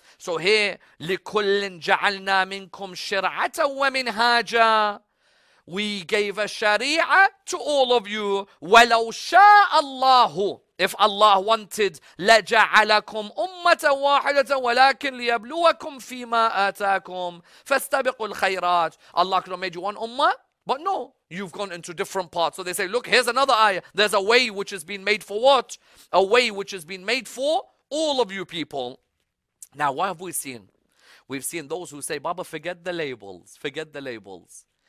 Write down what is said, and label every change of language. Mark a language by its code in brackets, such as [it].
[en] So here, [ar] لِكُلٍّ جَعَلْنَا مِنْكُمْ شِرْعَةً وَمِنْهَاجًا. [en] We gave a sharia to all of you. [ar] وَلَوْ شَاءَ اللَّهُ, [en] if Allah wanted, [ar] لَجَعَلَكُمْ أُمَّةً وَاحِدَةً وَلَكِنْ لِيَبْلُوَكُمْ فِي مَا آتَاكُمْ فَاسْتَبِقُوا الْخَيْرَاتِ. [en] Allah could have made you one ummah, but no, you've gone into different parts. So they say, look, here's another ayah. There's a way which has been made for what? A way which has been made for all of you people. Now, what have we seen? We've seen those who say, Baba, forget the labels. Forget the labels.